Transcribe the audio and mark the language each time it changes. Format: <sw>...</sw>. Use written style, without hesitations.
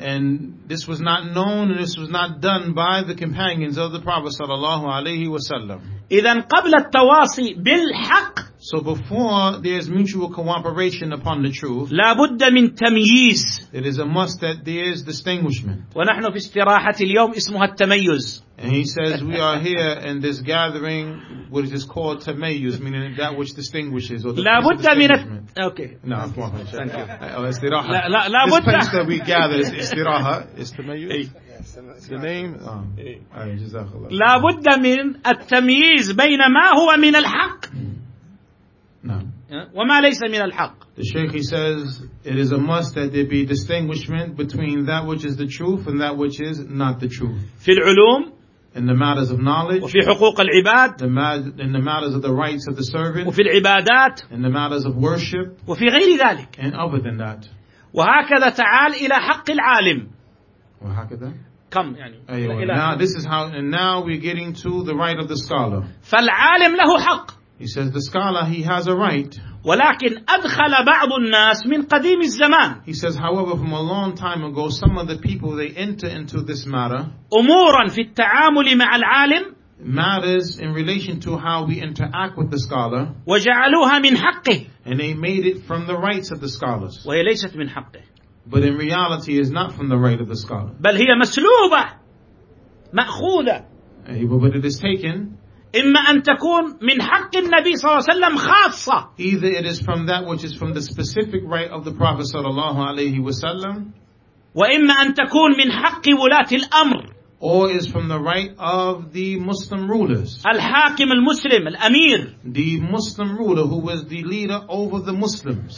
<en>And this was not known and this was not done by the companions of the Prophet</en> <ar>صلى الله عليه وسلم. إذن قبل التواصي بالحق.</ar> <en>So before there is mutual cooperation upon the truth.</en> <ar>لابد من تمييز.</ar> <en>It is a must that there is distinguishment.</en> <ar>ونحن في استراحة اليوم اسمها التميز.</ar> <en>And he says we are here in this gathering which is called تميز, meaning that which distinguishes or the</en> <ar>لابد من</ar> <en>okay. No, thank you.</en> <ar>استراحة. لابد.</ar> <en>This place that we gather is استراحة. Is تميز. Hey. The name. Oh. Hey.</en> <ar>لابد من التمييز بين ما هو من الحق. وما ليس من الحق.</ar> <en>The Sheikh he says it is a must that there be distinguishment between that which is the truth and that which is not the truth.</en> <ar>في العلوم.</ar> <en>In the matters of knowledge.</en> <ar>وفي حقوق العباد.</ar> <en>In the matters of the rights of the servant.</en> <ar>وفي العبادات.</ar> <en>In the matters of worship.</en> <ar>وفي غير ذلك.</ar> <en>And other than that.</en> <ar>وهكذا تعال إلى حق العالم. وهكذا.</ar> <en>Come.</en> <ar>يعني.</ar> <en>Now this is how and now we're getting to the right of the scholar.</en> <ar>فالعالم له حق.</ar> <en>He says the scholar he has a right.</en> <ar>ولكن أدخل بعض الناس من قديم الزمان.</ar> <en>He says, however, from a long time ago, some of the people they enter into this matter.</en> <ar>أمورا في التعامل مع العالم.</ar> <en>Matters in relation to how we interact with the scholar.</en> <ar>وجعلوها من حقه.</ar> <en>And they made it from the rights of the scholars.</en> <ar>وهي ليست من حقه.</ar> <en>But in reality, it is not from the right of the scholar.</en> <ar>بل هي مسلوبة مأخوذة.</ar> <en>But it is taken.</en> <ar>إما أن تكون من حق النبي صلى الله عليه وسلم خاصة.</ar> <en>Either it is from that which is from the specific right of the Prophet</en> <ar>صلى الله عليه وسلم. وإما أن تكون من حق ولاة الأمر.</ar> <en>Or is from the right of the Muslim rulers.</en> <ar>الحاكم المسلم الأمير.</ar> <en>The Muslim ruler who was the leader over the Muslims.</en>